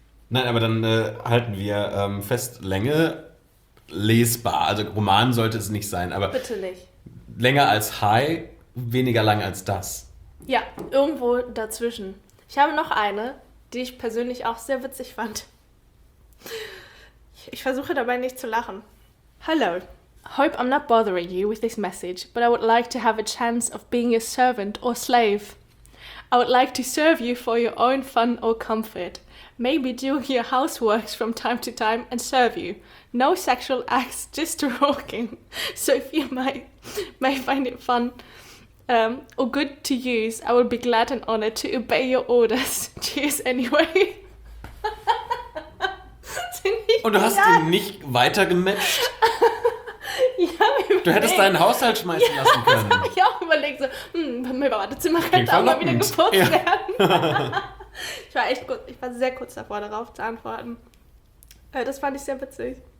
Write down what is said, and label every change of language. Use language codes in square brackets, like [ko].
[de] Nein, aber dann halten wir fest, Länge lesbar. Also Roman sollte es nicht sein, aber Bitte nicht. länger als High, weniger lang als das. Ja, irgendwo dazwischen. Ich habe noch eine, die ich persönlich auch sehr witzig fand. Ich versuche dabei nicht zu lachen. [en] Hello. Hope I'm not bothering you with this message, but I would like to have a chance of being your servant or slave. I would like to serve you for your own fun or comfort. Maybe do your housework from time to time and serve you. No sexual acts, just talking. So if you may find it fun or good to use, I will be glad and honored to obey your orders. Cheers anyway. [de] Und du hast ihn nicht weiter gematcht? Du hättest deinen Haushalt schmeißen lassen können. Ja, das habe ich auch überlegt. So, mein Badezimmer Klingt könnte auch mal wieder verlockend. geputzt Ja. werden. Ich war echt kurz, ich war sehr kurz davor, darauf zu antworten. Das fand ich sehr witzig.